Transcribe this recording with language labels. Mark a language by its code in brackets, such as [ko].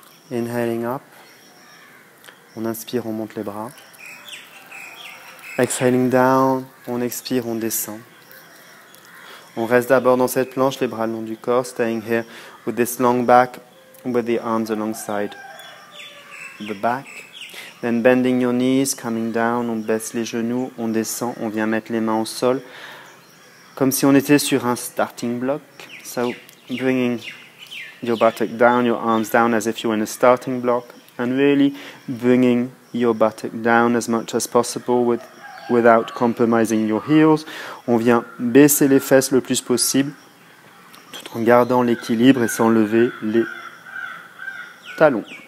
[en] Inhaling up. [fr] On inspire, on monte les bras. [en] Exhaling down. [fr] On expire, on descend. On reste d'abord dans cette planche, les bras le long du corps. [en] Staying here with this long back, with the arms alongside the back. Then bending your knees, coming down. [fr] On baisse les genoux, on descend. On vient mettre les mains au sol. Comme si on était sur un starting block. [en] So bringing your buttock down, your arms down as if you're in a starting block, and really bringing your buttock down as much as possible without compromising your heels. [fr] On vient baisser les fesses le plus possible tout en gardant l'équilibre et sans lever les talons.